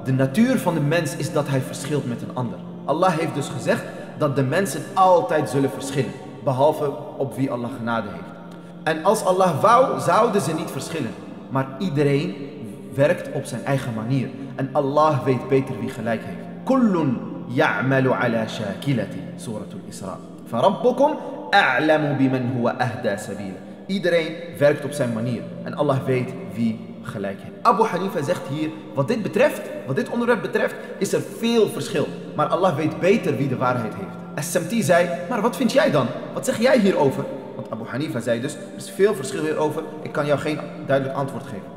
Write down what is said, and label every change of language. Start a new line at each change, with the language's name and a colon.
Dutch: De natuur van de mens is dat hij verschilt met een ander. Allah heeft dus gezegd dat de mensen altijd zullen verschillen. Behalve op wie Allah genade heeft. En als Allah wou, zouden ze niet verschillen. Maar iedereen werkt op zijn eigen manier. En Allah weet beter wie gelijk heeft.
Arabic: كُلٌّ يَعْمَلُ عَلَى شَاكِلَتِهِ Suratul Isra. فَرَبُّكُمْ أَعْلَمُ بِمَنْ هُوَ أَهْدَى سَبِيلًا.
Dutch: Iedereen werkt op zijn manier. En Allah weet wie gelijk heeft. Abu Hanifa zegt hier, wat dit betreft, wat dit onderwerp betreft, is er veel verschil. Maar Allah weet beter wie de waarheid heeft. SMT zei, maar wat vind jij dan? Wat zeg jij hierover? Want Abu Hanifa zei dus, er is veel verschil hierover. Ik kan jou geen duidelijk antwoord geven.